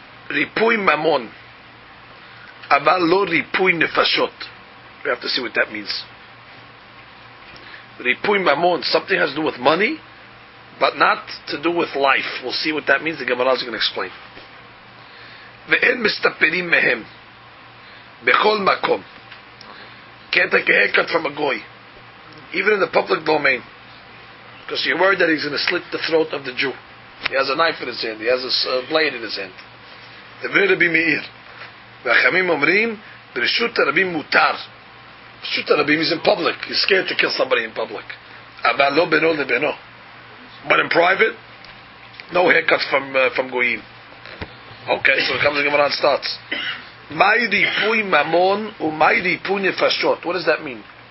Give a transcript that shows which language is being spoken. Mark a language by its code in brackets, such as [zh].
[he] Ripui mamon, aval lo ripui nefashot. [en] We have to see what that means. Ripui mamon, something has to do with money, but not to do with life. We'll see what that means. The Gemara is going to explain. [he] ואין מסתפרים מהם בכל מקום. [en] Can't take a haircut from a goy, even in the public domain, because you're worried that he's going to slit the throat of the Jew. He has a knife in his hand. He has a blade in his hand. [he] דבר רבי מאיר, והחכמים אומרים ברשות הרבים מותר. [en] Rishut HaRabim is in public. He's scared to kill somebody in public. [he] אבל לא בינו לבינו. [en] But in private, no haircuts from goyim. Okay, so it comes to Gemara and starts. [arc] Mai ripui mamon umai ripui nefashot. [en] What does that mean?